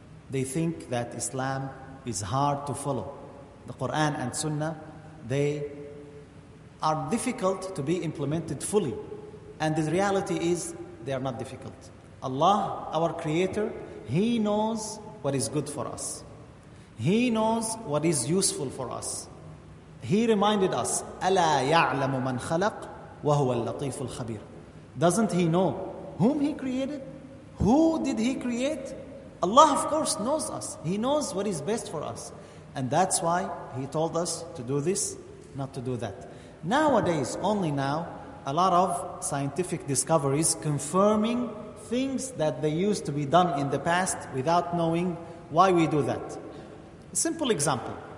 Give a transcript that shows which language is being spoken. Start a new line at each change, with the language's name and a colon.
English: They think that Islam is hard to follow. The Quran and Sunnah, they are difficult to be implemented fully. And the reality is, they are not difficult. Allah, our Creator, He knows what is good for us. He knows what is useful for us. He reminded us,
Arabic: أَلَا يَعْلَمُ مَنْ خَلَقْ وَهُوَ اللَّطِيفُ الْخَبِيرُ.
English: Doesn't He know whom He created? Who did He create? Allah, of course, knows us. He knows what is best for us. And that's why He told us to do this, not to do that. Nowadays, only now, a lot of scientific discoveries confirming things that they used to be done in the past without knowing why we do that. A simple example.